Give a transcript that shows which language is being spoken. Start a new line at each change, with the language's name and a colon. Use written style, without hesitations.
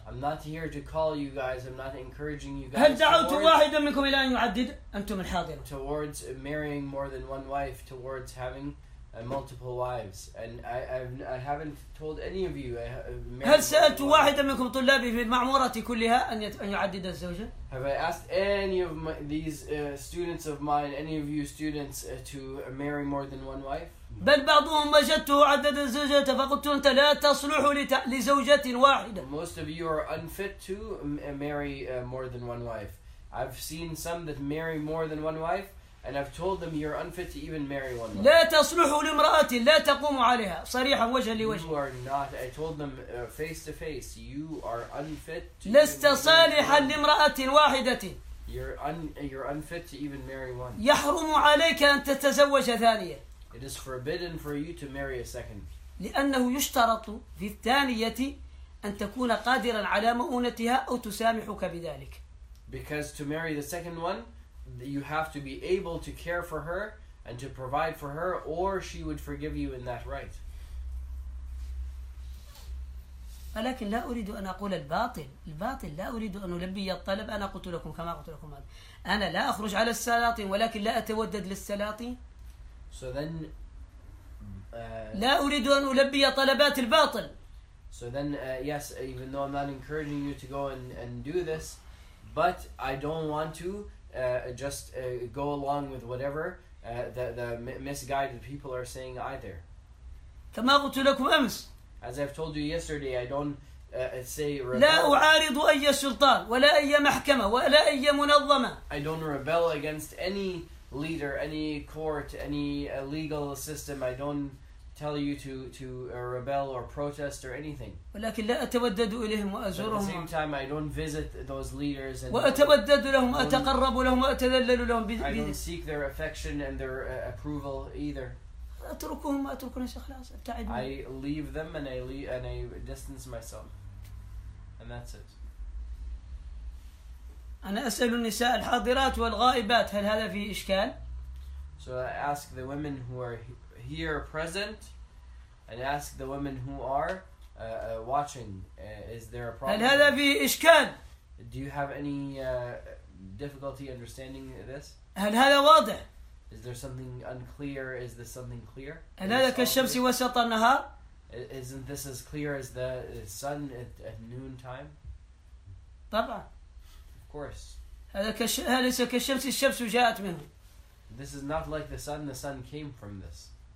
English: I'm not here to call you guys I'm not encouraging you guys
Arabic: هل دعوت واحدا منكم إلى أن يعدد أنتم الحاضرون
English: towards marrying more than one wife towards having multiple wives and I haven't told any of you
Arabic: هل سألت واحدا منكم طلابي في المعمورة كلها أن يعدد الزوجة
English: have I asked any of my, these students of mine any of you students to marry more than one wife
Arabic: بل بعضهم وجدته عدد الزوجات فقلت أنت لا تصلح لزوجة واحدة
English: most of you are unfit to marry more than one wife I've seen some that marry more than one wife And I've told them you're unfit to even marry one
Arabic: لا تصلح لامرأتي لا تقوم عليها صريحا وجها لوجه
English: You are not I told them face to face You are unfit to
Arabic: لست صالحا لامرأتي واحدة
English: you're unfit to even marry one
Arabic: يحرم عليك أن تتزوج ثانية
English: It is forbidden for you to marry a second
Arabic: لأنه يشترط في الثانية أن تكون قادرا على مؤونتها أو تسامحك بذلك
English: Because to marry the second one You have to be able to care for her and to provide for her, or she would forgive you in that right.
Arabic: ولكن لا أريد أن أقول الباطل. الباطل لا أريد أن ألبي الطلب. أنا قلت لكم كما قلت لكم هذا. أنا لا أخرج على السلاطين ولكن لا أتودد للسلاطين.
English: So then.
Arabic: لا أريد أن ألبي طلبات الباطل.
English: So then, yes. Even though I'm not encouraging you to go and do this, but I don't want to. Just go along with whatever the misguided people are saying either.
Arabic: كما قلت لكم أمس.
English: As I've told you yesterday, I don't say rebel.
Arabic: لا أعارض أي سلطان ولا أي محكمة ولا أي منظمة.
English: I don't rebel against any leader, any court, any legal system. I don't tell you to rebel or protest or anything.
Arabic: ولكن لا أتودد إليهم وأزورهم.
English: At the same time, I don't visit those leaders. And
Arabic: وأتودد لهم أتقرب لهم وأتذلل لهم.
English: I don't seek their affection and their approval either.
Arabic: أتركهم أتركنا خلاص ابتعد.
English: I leave them and I distance myself, and that's it.
Arabic: أنا أسأل النساء الحاضرات والغائبات هل هذا في إشكال؟
English: So I ask the women who are here present and ask the women who are watching is there a problem do you have any difficulty understanding this is there something unclear is this something clear isn't this as clear as the sun at noon time of course this is not like the sun came from this